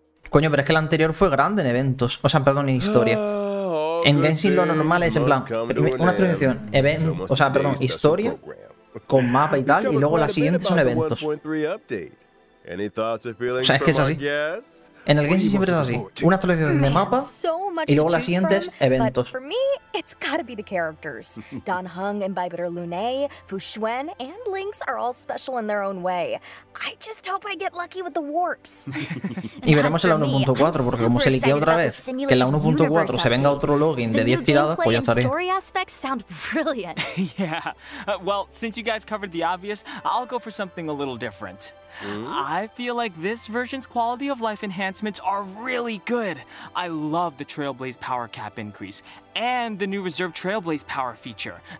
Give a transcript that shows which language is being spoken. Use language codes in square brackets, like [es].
[es] Coño, pero es que el anterior fue grande en eventos. O sea, perdón, en historia. En Genshin lo normal es en plan, una transición, evento, o sea, perdón, historia, con mapa y tal, y luego la siguiente son eventos. O sea, es que es así. En el Genshin siempre es así. Una actualización de mapa y luego la siguiente es eventos. Para mí, [en] it's gotta be the characters. Don Hung, Imbibitor Lune, Fu Xuan, and Lynx are all special in their own way. I just hope I get lucky with the warps. [es] Y veremos en la 1.4, porque como se liquea otra vez, que en la 1.4 se venga otro login de 10 tiradas, pues ya estaré. [en] Story aspects sound brilliant. Yeah. Well, since you guys covered the obvious, I'll go for something a little different. I feel like this version's quality of life enhancements are really good. I love the Trailblaze power cap increase and the new reserve Trailblaze power feature.